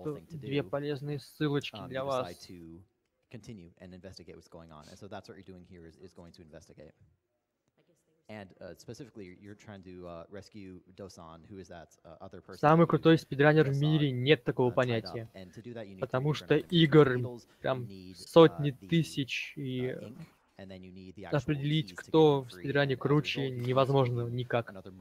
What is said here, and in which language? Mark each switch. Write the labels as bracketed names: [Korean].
[Russian] Две полезные ссылочки для вас. [English] continue and investigate what's going on. And so that's what you're doing here is going to investigate. And specifically, you're trying to rescue Dosan, who is that other person? [Russian] Самый крутой спидранер в мире, нет такого понятия. Потому что игр прям сотни тысяч, и определить, кто в спидране круче, невозможно никак.